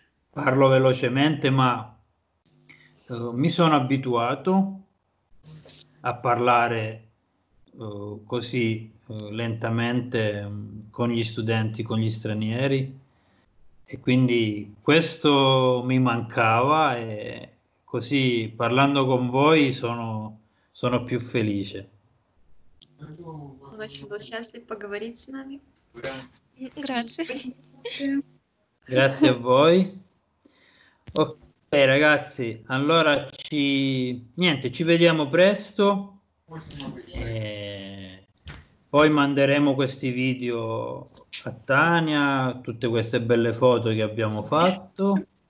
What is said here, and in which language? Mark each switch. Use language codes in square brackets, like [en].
[it] Parlo velocemente, ma mi sono abituato a parlare così lentamente con gli studenti, con gli stranieri. E quindi questo mi mancava e così parlando con voi sono più felice. [ru] Очень был счастлив поговорить с нами. [it] Grazie. Grazie a voi. Ok, ragazzi, allora niente, ci vediamo presto e poi manderemo questi video a Tania, tutte queste belle foto che abbiamo fatto.